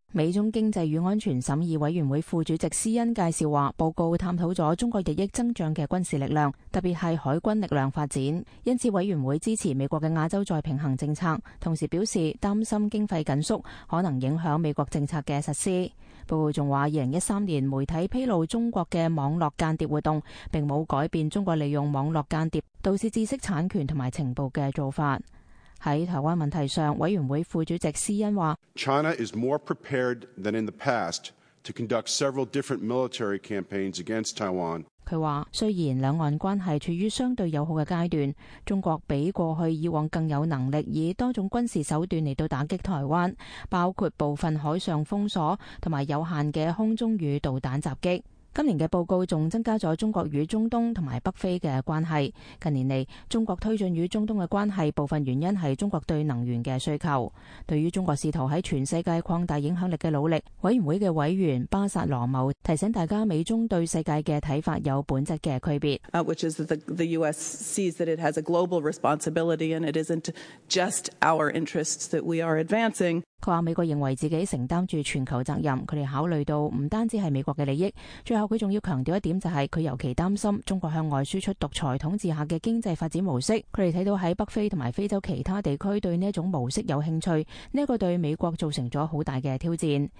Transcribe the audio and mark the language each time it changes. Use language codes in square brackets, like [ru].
[zh] 美中经济与安全审议委员会副主席施恩介绍话，报告探讨了中国日益增长的军事力量，特别是海军力量发展，因此委员会支持美国的亚洲再平衡政策，同时表示担心经费紧缩可能影响美国政策的实施。报告还说，2013年媒体披露中国的网络间谍活动并没有改变中国利用网络间谍导致知识产权和情报的做法。在台湾问题上，委员会副主席施恩说， [en] China is more prepared than in the past to conduct several different military campaigns against Taiwan。 [zh] 他说，虽然两岸关系处于相对友好的阶段，中国比过去以往更有能力以多种军事手段来到打击台湾，包括部分海上封锁和有限的空中与导弹袭击。今年的报告还增加了中国与中东和北非的关系。近年来，中国推进与中东的关系，部分原因是中国对能源的需求。对于中国试图在全世界扩大影响力的努力，委员会的委员巴萨罗某提醒大家，美中对世界的看法有本质的区别。 [en] Which is that the US sees that it has a global responsibility and it isn't just our interests that we are advancing. [zh] 他说，美国认为自己承担着全球责任，他们考虑到不单止是美国的利益。最后他还要强调一点，就是他尤其担心中国向外输出独裁统治下的经济发展模式。他们看到在北非和非洲其他地区对这种模式有兴趣，这个对美国造成了很大的挑战。